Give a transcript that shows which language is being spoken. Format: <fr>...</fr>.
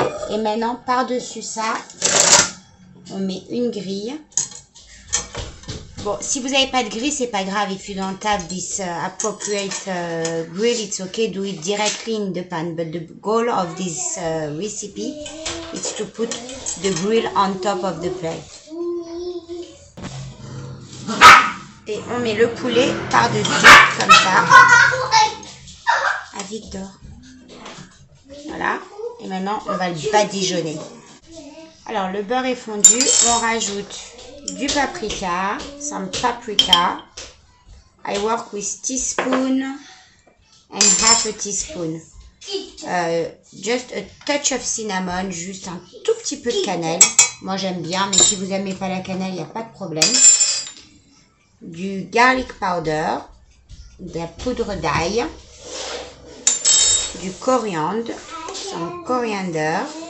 <fr>Et maintenant, par-dessus ça, on met une grille. Bon, si vous n'avez pas de grille, c'est pas grave.</fr> <en>If you don't have this appropriate grill, it's okay. Do it directly in the pan. But the goal of this recipe is to put the grill on top of the plate.</en> <fr>Et on met le poulet par-dessus, comme ça. À Victor. Voilà. Et maintenant, on va le badigeonner. Alors, le beurre est fondu. On rajoute du paprika,</fr> <en>some paprika. I work with teaspoon and half a teaspoon. Just a touch of cinnamon,</en> <fr>juste un tout petit peu de cannelle. Moi j'aime bien, mais si vous n'aimez pas la cannelle, il n'y a pas de problème. Du</fr> <en>garlic powder,</en> <fr>de la poudre d'ail, du coriandre,</fr> <en>some coriander.</en>